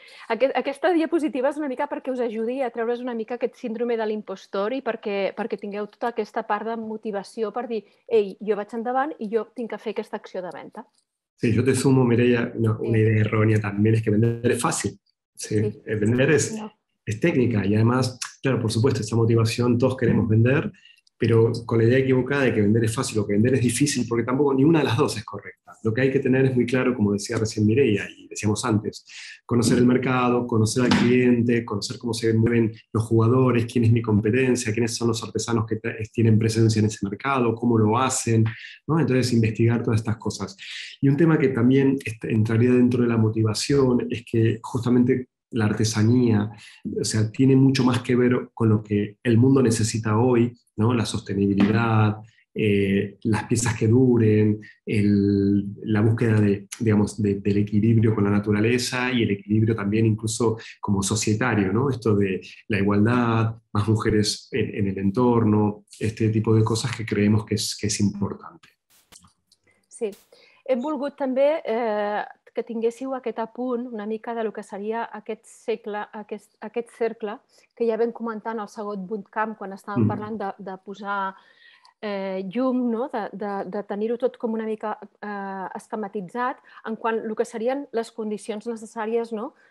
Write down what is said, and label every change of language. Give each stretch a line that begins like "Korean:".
Catalan: Aquesta diapositiva és una mica perquè us ajudi a treure's una mica aquest síndrome de l'impostor i perquè tingueu tota aquesta part de motivació per dir, ei, jo vaig endavant i jo tinc que fer aquesta acció de venda. Sí, jo te sumo, Mireia, una idea errònia també, és que vendre és fàcil.
Spanish: Sí, vender es técnica y además, claro, por supuesto, esa motivación, todos queremos vender, pero con la idea equivocada de que vender es fácil o que vender es difícil, porque tampoco ni una de las dos es correcta. Lo que hay que tener es muy claro, como decía recién Mireia y decíamos antes, conocer el mercado, conocer al cliente, conocer cómo se mueven los jugadores, quién es mi competencia, quiénes son los artesanos que tienen presencia en ese mercado, cómo lo hacen, ¿no? Entonces, investigar todas estas cosas. Y un tema que también entraría dentro de la motivación es que justamente la artesanía, o sea, tiene mucho más que ver con lo que el mundo necesita hoy, ¿no? La sostenibilidad, las piezas que duren, la búsqueda digamos, del equilibrio con la naturaleza y el equilibrio también incluso como societario, ¿no? Esto de la igualdad, más mujeres en el entorno, este tipo de cosas que creemos que es importante.
Catalan: Sí, he volgut també que tinguéssiu aquest apunt una mica del que seria aquest segle, aquest cercle que ja vam comentar en el segon bootcamp quan estàvem parlant de posar llum, no? De tenir-ho tot com una mica esquematitzat en quant a el que serien les condicions necessàries, no?